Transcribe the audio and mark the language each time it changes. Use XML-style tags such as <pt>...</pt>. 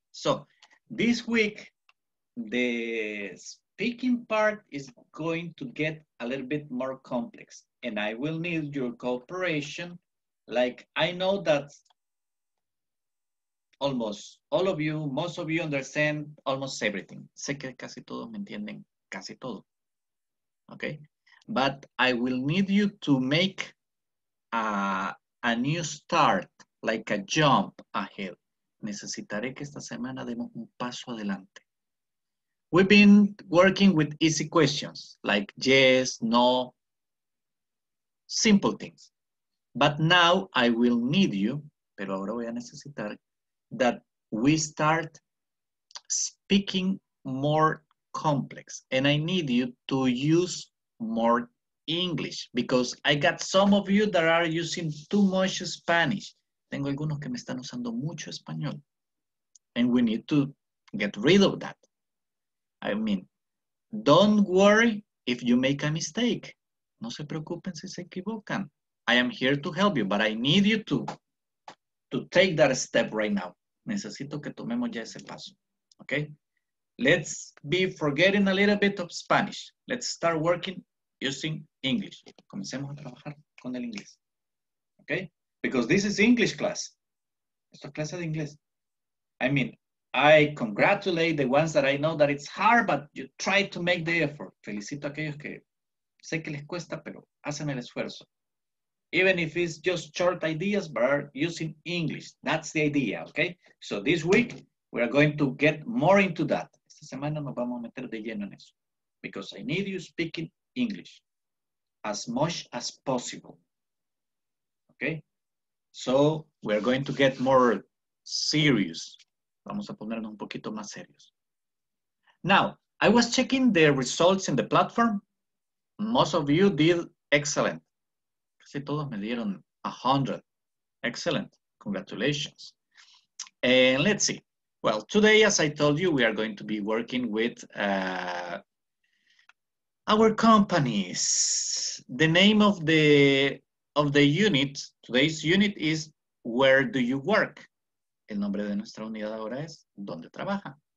<en>So this week, the speaking part is going to get a little bit more complex, and I will need your cooperation. Like, I know that almost all of you, most of you understand almost everything.</en> <es>Sé que casi todos me entienden casi todo.</es> <en>Okay? But I will need you to make a new start, like a jump ahead.</en> <es>Necesitaré que esta semana demos un paso adelante.</es> <en>We've been working with easy questions, like yes, no, simple things. But now I will need you,</en> <es>pero ahora voy a necesitar,</es> <en>that we start speaking more complex. And I need you to use more English, because I got some of you that are using too much Spanish.</en> <es>Tengo algunos que me están usando mucho español.</es> <en>And we need to get rid of that. I mean, don't worry if you make a mistake.</en> <es>No se preocupen si se equivocan.</es> <en>I am here to help you, but I need you to take that step right now.</en> <es>Necesito que tomemos ya ese paso,</es> <en>okay? Let's be forgetting a little bit of Spanish. Let's start working using English.</en> <es>Comencemos a trabajar con el inglés, okay?</es> <en>Because this is English class.</en> <es>Esto es clase de inglés.</es> <en>I mean, I congratulate the ones that I know that it's hard, but you try to make the effort.</en> <es>Felicito a aquellos que sé que les cuesta, pero hacen el esfuerzo.</es> <en>Even if it's just short ideas, but are using English. That's the idea, okay? So this week, we are going to get more into that.</en> <es>Esta semana nos vamos a meter de lleno en eso.</es> <en>Because I need you speaking English as much as possible, okay? So we are going to get more serious.</en> <es>Vamos a ponernos un poquito más serios.</es> <en>Now, I was checking the results in the platform. Most of you did excellent.</en> <es>Sí, todos me dieron 100.</es> <en>Excellent. Congratulations. And let's see. Well, today, as I told you, we are going to be working with our companies. The name of the unit, today's unit is Where Do You Work?</en> <es>El nombre de nuestra unidad ahora es ¿Dónde trabaja?</es>